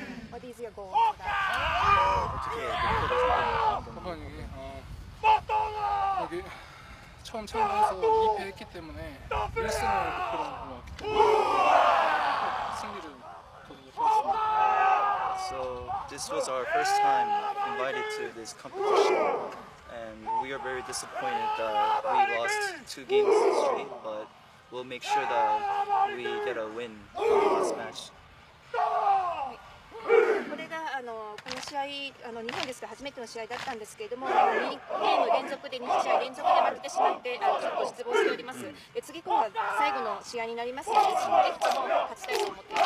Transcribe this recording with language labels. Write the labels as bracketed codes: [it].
[en] What is your goal? What is your goal? Papua New Guinea. [ko] 여기 처음 체험해서 2패했기 때문에 1승을 거두고 승리를 거두겠습니다. [en] So this was our first time invited to this competition, and we are very disappointed that we lost two games straight. But we'll make sure that we get a win for the last match. [ja] これがこの試合日本ですが初めての試合だったんですけれども、2ゲーム連続で2試合連続で負けてしまってちょっと失望しております。次今度は最後の試合になりますので、ぜひとも勝ちたいと思っています。